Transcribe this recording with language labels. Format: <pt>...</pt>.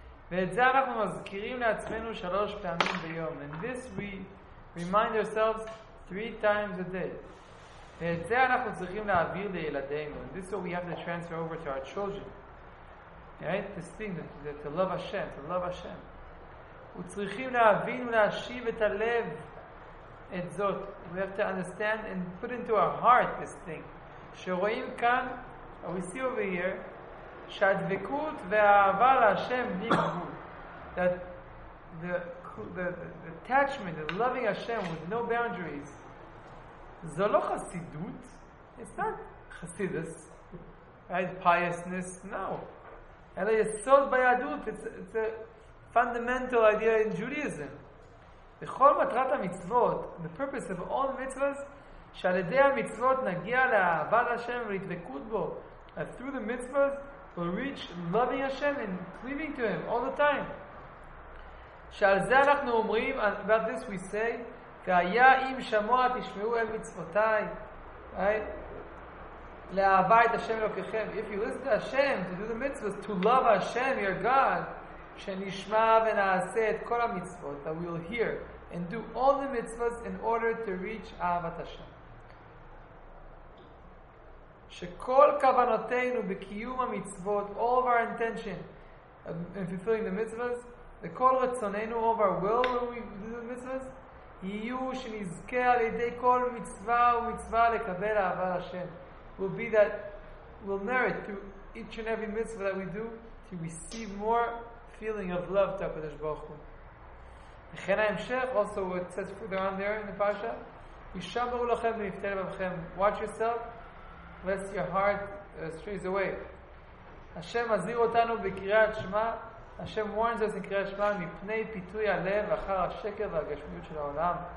<he>ואת זה אנחנו מזכירים לעצמנו שלוש פעמים ביום.</he> <en>And this we remind ourselves three times a day.</en> <he>ואת זה אנחנו צריכים להעביר לילדינו.</he> <en>And this is what we have to transfer over to our children. Right? This thing, to love Hashem, to love Hashem.</en> <he>וצריכים להבין ולהשיב את הלב את זאת.</he> <en>We have to understand and put into our heart this thing.</en> <he>שרואים כאן,</he> <en>or we see over here,</en> <he>שהדבקות והאהבה להשם בלי גבול.</he> <en>That the attachment of loving Hashem with no boundaries,</en> <he>זו לא חסידות.</he> <en>It's not חסידס. Right? Piousness. No.</en> <he>אלא יסוד ביהדות.</he> <en>It's a fundamental idea in Judaism.</en> <he>בכל מטרת המצוות,</he> <en>the purpose of all mitzvahs,</en> <he>שעל ידי המצוות נגיע לאהבה להשם ולהתבקות בו.</he> <en>And through the mitzvahs, will reach loving Hashem and cleaving to Him all the time.</en> <he>שעל זה אנחנו אומרים,</he> <en>about this we say,</en> <he>והיה אם שמוע תשמעו אל מצוותיי, right? לאהבה את השם אלוקיכם.</he> <en>If you listen to Hashem, to do the mitzvot, to love Hashem, your God,</en> <he>שנשמע ונעשה את כל המצוות,</he> <en>that we will hear and do all the mitzvot in order to reach אהבת Hashem.</en> <he>שכל כוונותינו בקיום המצוות,</he> <en>all of our intention in fulfilling the mitzvahs,</en> <he>וכל רצוננו,</he> <en>all of our will when we do the mitzvahs,</en> <he>יהיו שנזכה על ידי כל מצווה ומצווה לקבל אהבה לשם.</he> <en>Will be that, will merit through each and every mitzvah that we do to receive more feeling of love to HaKadosh Baruch Hu.</en> <he>וכן ההמשך,</he> <en>also what says further on there in the parasha,</en> <he>ישמרו לכם ונפתה לבבכם.</he> <en>Watch yourself, lest your heart strays away.</en> <he>Hashem מזהיר אותנו בקריאת שמע.</he> <en>Hashem warns us in</en> <he>קריאת שמע מפני פיתוי הלב אחר השקר והגשמיות של העולם.</he>